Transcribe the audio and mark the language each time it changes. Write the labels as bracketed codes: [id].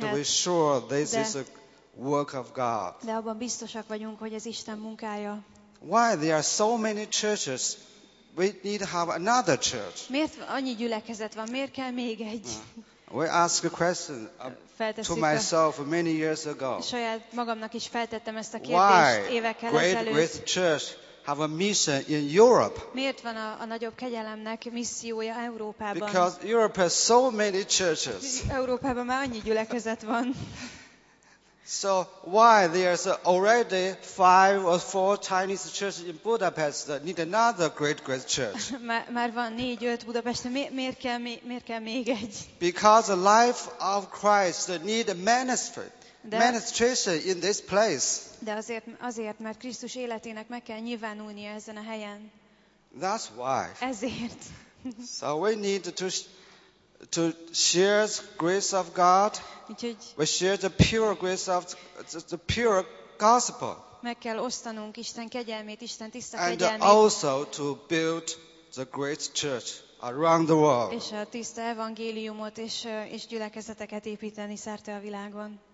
[en] But we're sure this is a work of God. [hu] De abban biztosak vagyunk, hogy ez Isten munkája. [en] Why there are so many churches? We need to have another church. [hu] Miért annyi gyülekezet van? Miért kell még egy? [en] We ask a question to myself many years ago. [hu] Saját magamnak is feltettem ezt a kérdést évekkel ezelőtt. [en] Why great church have a mission in Europe? [hu] Miért van a nagyobb kegyelemnek missziója Európában? [en] Because Europe has so many churches. [hu] Európában már annyi gyülekezet van. [en] So why there's already five or four Chinese churches in Budapest that need another great great church? [hu] Már van 4-5 Budapesten, miért kell még egy? [en] Because the life of Christ need a ministration in this place. [hu] De azért, mert Krisztus életének meg kell nyilvánulnia ezen a helyen. [en] That's why. [hu] Ezért. [en] So we need to share the grace of God. We share the pure grace of the pure gospel. [hu] Meg kell osztanunk Isten kegyelmét, Isten tiszta [en] and [hu] kegyelmét. [en] And also to build the great church around the world. [hu] És a tiszta evangéliumot és gyülekezeteket építeni szerte a világon.